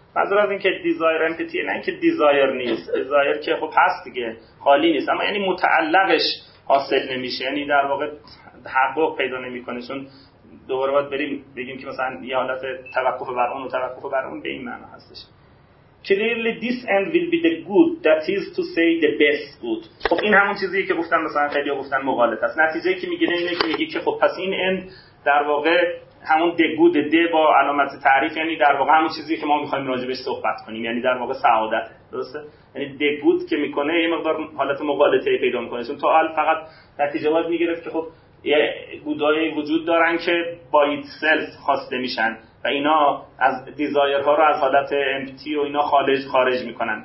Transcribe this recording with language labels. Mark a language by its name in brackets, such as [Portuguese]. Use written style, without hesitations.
[Persian] منظور از این که desire empty نه این که desire نیست، desire که خب هست دیگه، خالی نیست، اما یعنی متعلقش حاصل نمیشه، یعنی در واقع حقوق پیدا نمی کنه. چون دوباره باید بریم بگیم که مثلا یه حالت توقف بر اون و توقف بر اون به این معنی هستش. [English] Clearly this end will be the good, that is to say the best good. [Persian] خب این همون چیزیه که گفتم مثلا خیلی ها گفتن مغالطه است. نتیجه که میگیره اینه که میگه که خب پس این end در واقع همون the good ده با علامت تعریف، یعنی در واقع همون چیزیه که ما میخواییم راجبش صحبت کنیم، یعنی در واقع سعادته. درسته؟ یعنی the good که میکنه یه مقدار حالت مغالطه پیدا میکنه، چون تا حال فقط نتیجه باید میگرفت که خب یه گودای وجود دارن که با ایتسلف خواسته میشن و اینا از دیزایرها رو از حالت امپتی و اینا خارج میکنن.